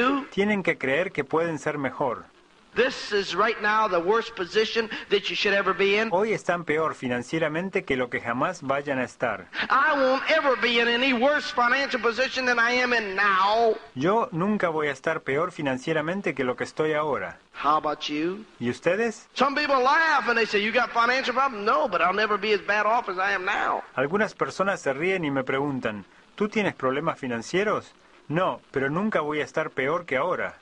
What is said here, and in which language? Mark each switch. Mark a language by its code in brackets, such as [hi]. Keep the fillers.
[es] Tienen que creer que pueden ser mejor. [en] This is right now the worst position that you should ever be in. [es] Hoy están peor financieramente que lo que jamás vayan a estar. [en] I won't ever be in any worse financial position than I am in now. [es] Yo nunca voy a estar peor financieramente que lo que estoy ahora. [en] How about you? [es] ¿Y ustedes? [en] Some people laugh and they say you got financial problems. No, but I'll never be as bad off as I am now. [es] Algunas personas se ríen y me preguntan, ¿tú tienes problemas financieros? No, pero nunca voy a estar peor que ahora.